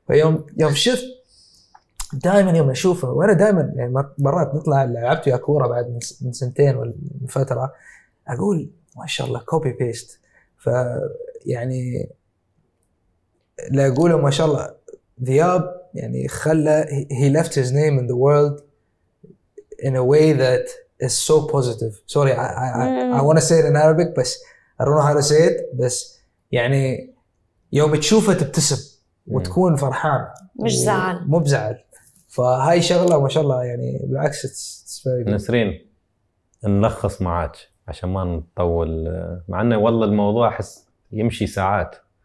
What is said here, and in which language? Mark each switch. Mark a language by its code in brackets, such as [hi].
[ar] يوم شفت دائما يوم اشوفه، وانا دائما يعني مرات نطلع لعبت يا كوره بعد من سنتين والفتره، اقول ما شاء الله كوبي بيست. ف يعني لا اقوله ما شاء الله ذياب [en] يعني خلى he left his name in the world in a way that is so positive. Sorry, I want to say it in Arabic, but I don't know how to say it. [ar] بس يعني يوم تشوفه تبتسم وتكون فرحان. مش زعل. مو بزعل. فهاي شغلة ما شاء الله يعني بالعكس it's [en] very good. [ar] نسرين نلخص معك عشان ما نطول مع إنه والله الموضوع أحس يمشي ساعات.